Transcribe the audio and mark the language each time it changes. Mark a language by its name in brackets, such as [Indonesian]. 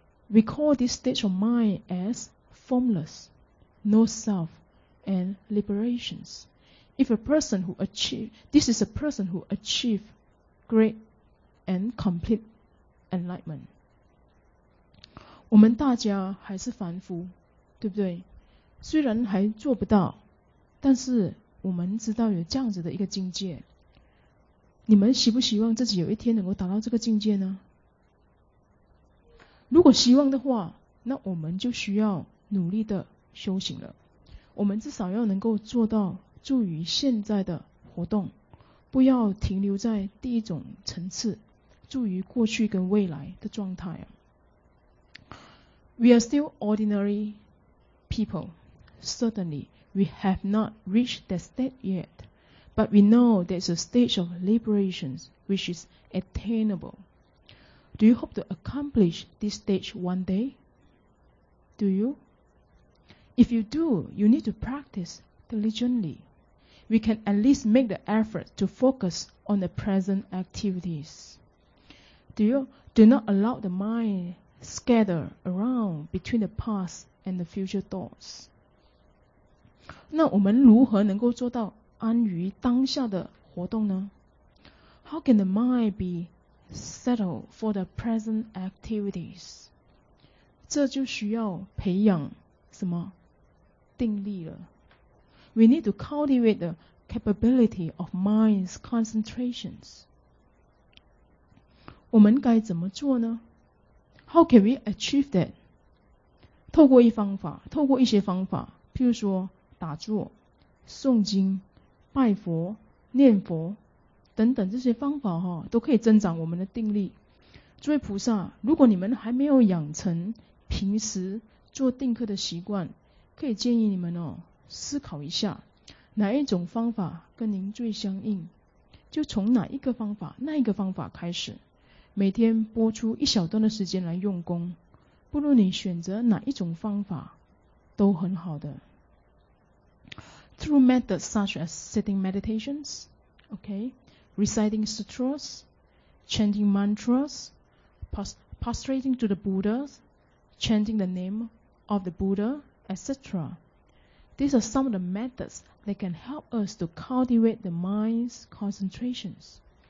[English] We call this state of mind as formless, no self and liberations. This is a person who achieve great and complete enlightenment. [Chinese] 我们大家还是凡夫，对不对？虽然还做不到，但是我们知道有这样子的一个境界。你们希不希望自己有一天能够达到这个境界呢？如果希望的话，那我们就需要努力的修行了。我们至少要能够做到助于现在的活动，不要停留在第一种层次，注于过去跟未来的状态。 [English] We are still ordinary people. Certainly, we have not reached that state yet, but we know there's a stage of liberation which is attainable. Do you hope to accomplish this stage one day? Do you? If you do, you need to practice diligently, we can at least make the effort to focus on the present activities. Do not allow the mind scatter around between the past and the future thoughts. [Chinese] 那我们如何能够做到安于当下的活动呢？ [English] How can the mind be settled for the present activities? [Chinese] 这就需要培养什么？定力了。 [English] We need to cultivate the capability of mind's concentrations. [Chinese] 我们该怎么做呢？ [English] How can we achieve that? [Chinese] 透过一些方法，譬如说打坐、诵经、拜佛、念佛等等，这些方法都可以增长我们的定力。诸位菩萨，如果你们还没有养成平时做定课的习惯，可以建议你们思考一下哪一种方法跟您最相应，就从哪一个方法那一个方法开始，每天拨出一小段的时间来用功。不论你选择哪一种方法都很好的。 [English] Through methods such as sitting meditations, okay, reciting sutras, chanting mantras, prostrating to the Buddha, chanting the name of the Buddha, etc. These are some of the methods that can help us to cultivate the mind's concentrations.